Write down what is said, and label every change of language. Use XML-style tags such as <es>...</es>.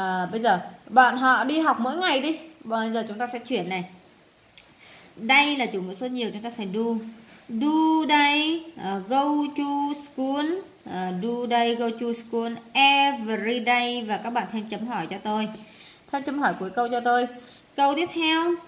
<vi>Bây giờ bọn họ đi học mỗi ngày đi. Bây giờ chúng ta sẽ chuyển này. Đây là chủ ngữ số nhiều, chúng ta sẽ do.</vi> <en>Do they go to school? Do they go to school every day?</en> <vi>Và các bạn thêm chấm hỏi cho tôi. Thêm chấm hỏi cuối câu cho tôi. Câu tiếp theo.</vi>